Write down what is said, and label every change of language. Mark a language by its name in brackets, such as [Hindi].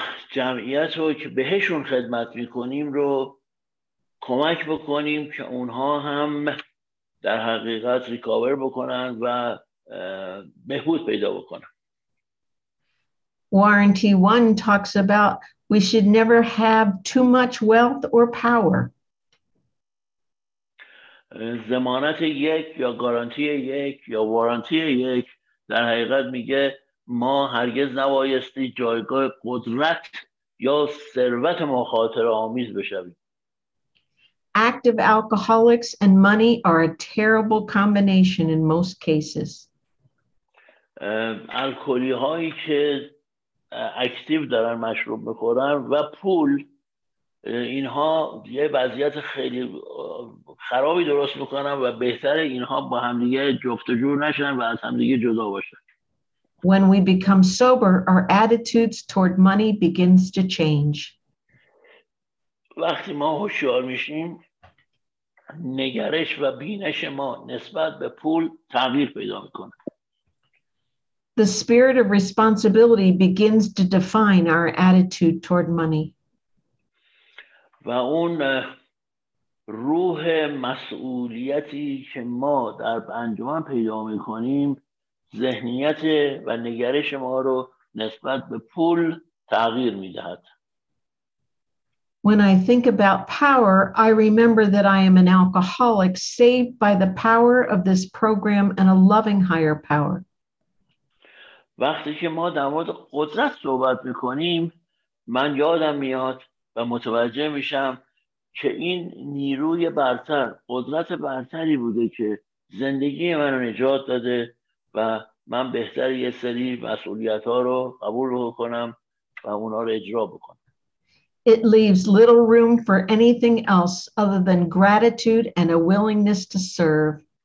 [Persian] جمعیت رو که بهشون خدمت میکنیم رو کمک بکنیم که اونها هم در حقیقت ریکاور بکنن و بهبود پیدا بکنن. [English] Warranty 1 talks about we should never have too much wealth or power. [Persian] ضمانت یک یا گارانتی یک یا وارانتی یک در حقیقت میگه ما هرگز نبایستی جایگاه قدرت یا ثروت مخاطره آمیز بشویم. [English] Active alcoholics and money are a terrible combination in most cases. [Persian] الکلی هایی که اکتیو دارن مشروب میخورن و پول، اینها یه وضعیت خیلی خرابی درست میکنن و بهتره اینها با هم دیگه جفت و جور نشن و از هم دیگه جدا باشن. [English] When we become sober, our attitudes toward money begins to change. [Persian] وقتی ما هوشیار میشیم، نگرش و بینش ما نسبت به پول تغییر پیدا میکنه. [English] The spirit of responsibility begins to define our attitude toward money. [Persian] و اون روح مسئولیتی که ما در انجمن پیدا می‌کنیم، ذهنیت و نگرش ما رو نسبت به پول تغییر می‌دهد. [English] When I think about power, I remember that I am an alcoholic saved by the power of this program and a loving higher power. [Persian] وقتی که ما در مورد قدرت صحبت میکنیم، من یادم میاد و متوجه میشم که این نیروی برتر، قدرت برتری بوده که زندگی من رو نجات داده و من بهتر یه سری مسئولیت ها رو قبول رو کنم و اونا رو اجرا بکنم. [English] It leaves little room for anything else other than gratitude and a willingness to serve.